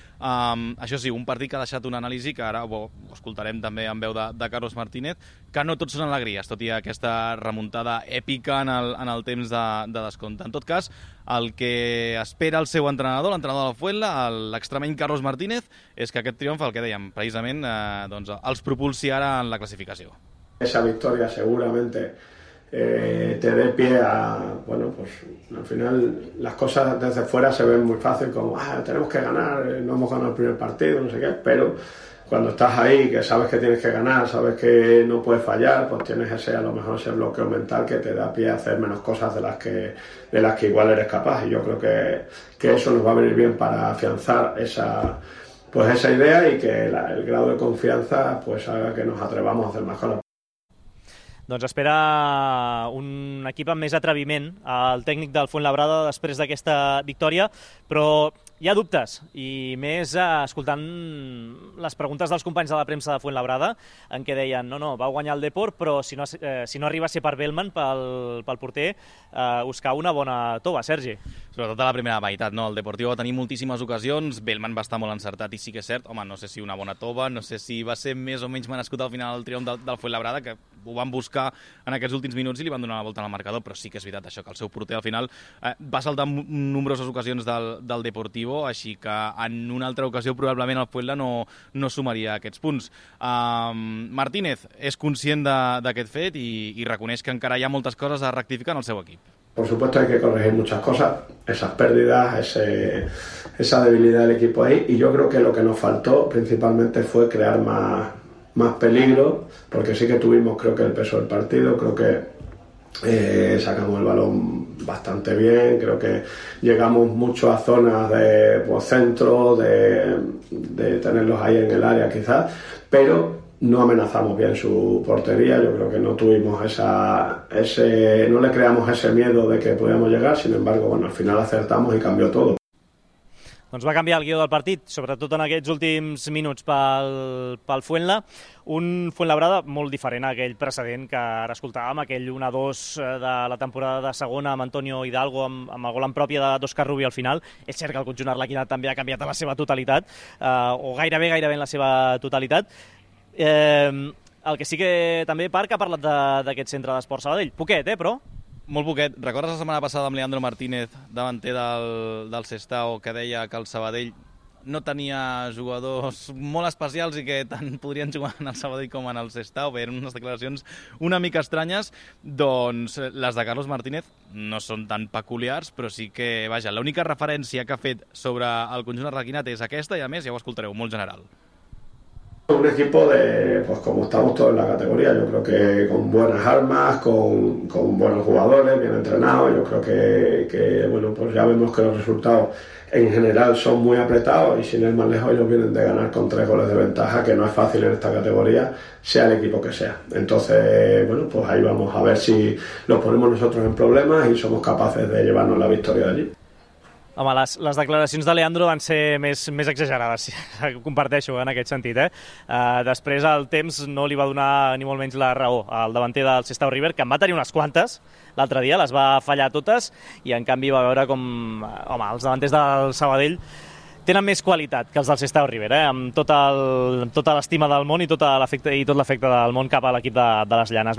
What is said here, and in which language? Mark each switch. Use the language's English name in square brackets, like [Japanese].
[Catalan] Això sí, un partit que ha deixat una anàlisi que ara ho escoltarem també en veu de Carlos Martínez, que no tot són alegries, tot i aquesta remuntada èpica en el temps de descompte. En tot cas, el que espera el seu entrenador, l'entrenador de la Fuenla, l'extremeny Carlos Martínez, és que aquest triomf, el que dèiem, precisament, doncs els propulsi ara en la classificació. [Spanish] Esa victòria segurament te dé pie a... Bueno, pues al final las cosas desde fuera se ven muy fácil, como, tenemos que ganar, no hemos ganado el primer partido, no sé qué, pero... Cuando estás ahí, que sabes que tienes que ganar, sabes que no puedes fallar, pues tienes ese, a lo mejor, ese bloqueo mental que te da pie a hacer menos cosas de las que igual eres capaz. Y yo creo que eso nos va a venir bien para afianzar esa idea y que el grado de confianza pues haga que nos atrevamos a hacer más cosas. [Catalan] Doncs espera un equip amb més atreviment al tècnic del Fuenlabrada després d'aquesta victòria, però hi ha dubtes, i més escoltant les preguntes dels companys de la premsa de Fuenlabrada, en què deien, no, va guanyar el Depor, però si no arriba a ser per Bellman, pel porter, us cau una bona tova, Sergi. Sobretot a la primera meitat, no? El Deportiu va tenir moltíssimes ocasions, Bellman va estar molt encertat, i sí que és cert, home, no sé si una bona tova, no sé si va ser més o menys merescut al final del triomf del Fuenlabrada, que ho van buscar en aquests últims minuts i li van donar la volta al marcador, però sí que és veritat això, que el seu porter al final va saltar nombroses ocasions del Deportivo, així que en una altra ocasió probablement el Puebla no sumaria aquests punts. Martínez és conscient d'aquest fet i reconeix que encara hi ha moltes coses a rectificar en el seu equip. [Spanish] Por supuesto hay que corregir muchas cosas, esas pérdidas, esa debilidad del equipo ahí, y yo creo que lo que nos faltó principalmente fue crear más peligro, porque sí que tuvimos, creo que, el peso del partido, creo que sacamos el balón bastante bien, creo que llegamos mucho a zonas de centro, de tenerlos ahí en el área quizás, pero no amenazamos bien su portería, yo creo que no tuvimos no le creamos ese miedo de que podíamos llegar, sin embargo, bueno, al final acertamos y cambió todo. [Catalan] Doncs va canviar el guió del partit, sobretot en aquests últims minuts pel Fuenla. Un Fuenlabrada molt diferent a aquell precedent que ara escoltàvem, aquell 1-2 de la temporada de segona amb Antonio Hidalgo, amb el gol en pròpia d'Òscar Rubi al final. És cert que el conjunt arlequinat també ha canviat en la seva totalitat, o gairebé en la seva totalitat. El que sí que també, Parc, ha parlat d'aquest centre d'esport Sabadell. Poquet, però... Molt poquet. Recordes la setmana passada amb Leandro Martínez, davanter del Sestao, que deia que el Sabadell no tenia jugadors molt especials i que tant podrien jugar en el Sabadell com en el Sestao? Bé, eren unes declaracions una mica estranyes. Doncs les de Carlos Martínez no són tan peculiars, però sí que, vaja, l'única referència que ha fet sobre el conjunt arlequinat és aquesta, i a més, ja ho escoltareu, molt general. [Spanish] Un equipo de, pues como estamos todos en la categoría, yo creo que con buenas armas, con buenos jugadores, bien entrenados, yo creo que, bueno, pues ya vemos que los resultados en general son muy apretados y sin ir más lejos ellos vienen de ganar con 3 goles de ventaja, que no es fácil en esta categoría, sea el equipo que sea. Entonces, bueno, pues ahí vamos a ver si nos ponemos nosotros en problemas y somos capaces de llevarnos la victoria de allí. [Catalan] Home, les declaracions de Leandro van ser més exagerades, si ho comparteixo en aquest sentit. Després el temps no li va donar ni molt menys la raó al davanter del Sestao River, que en va tenir unes quantes l'altre dia, les va fallar totes, i en canvi va veure com, home, els davanters del Sabadell tenen més qualitat que els del Sestao River, amb tota l'estima del món i tot l'afecte del món cap a l'equip de les Llanes.